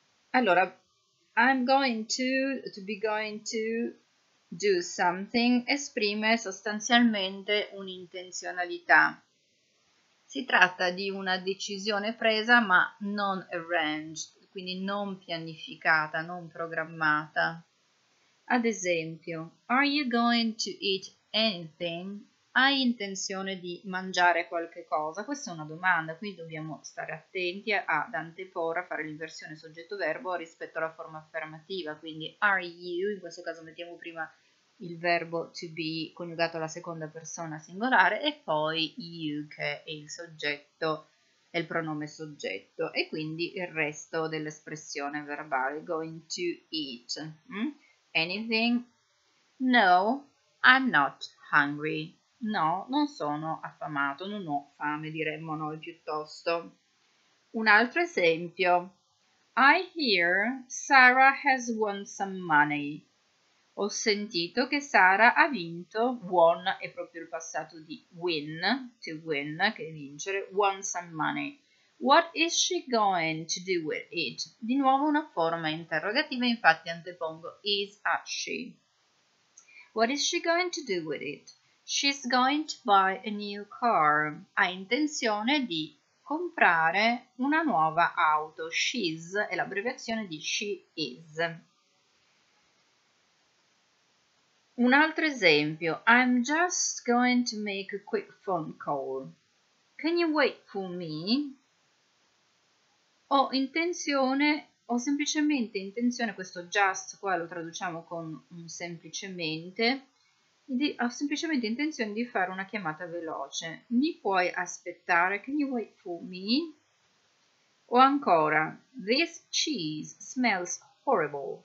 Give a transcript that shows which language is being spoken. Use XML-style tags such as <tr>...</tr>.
<it>Allora,</it> <en>I'm going to be going to do something</en> <it>esprime sostanzialmente un'intenzionalità. Si tratta di una decisione presa ma non arranged, quindi non pianificata, non programmata. Ad esempio,</it> <en>are you going to eat anything?</en> <it>Hai intenzione di mangiare qualche cosa? Questa è una domanda, quindi dobbiamo stare attenti ad anteporre, a fare l'inversione soggetto-verbo rispetto alla forma affermativa. Quindi</it> <en>are you,</en> <it>in questo caso mettiamo prima il verbo to be coniugato alla seconda persona singolare e poi you che è il soggetto, è il pronome soggetto e quindi il resto dell'espressione verbale.</it> <en>Going to eat. Anything? No, I'm not hungry.</en> <it>No, non sono affamato, non ho fame, diremmo noi piuttosto. Un altro esempio.</it> <en>I hear Sarah has won some money.</en> <it>Ho sentito che Sarah ha vinto, won è proprio il passato di win, to win, che è vincere,</it> <en>won some money. What is she going to do with it?</en> <it>Di nuovo una forma interrogativa, infatti antepongo</it> <en>is a she. What is she going to do with it? She's going to buy a new car.</en> <it>Ha intenzione di comprare una nuova auto. She's è l'abbreviazione di she is. Un altro esempio.</it> <en>I'm just going to make a quick phone call. Can you wait for me?</en> <it>Ho intenzione, ho semplicemente intenzione, questo just qua lo traduciamo con un semplicemente. Ho semplicemente intenzione di fare una chiamata veloce. Mi puoi aspettare?</it> <en>Can you wait for me?</en> <it>O ancora,</it> <en>this cheese smells horrible.</en>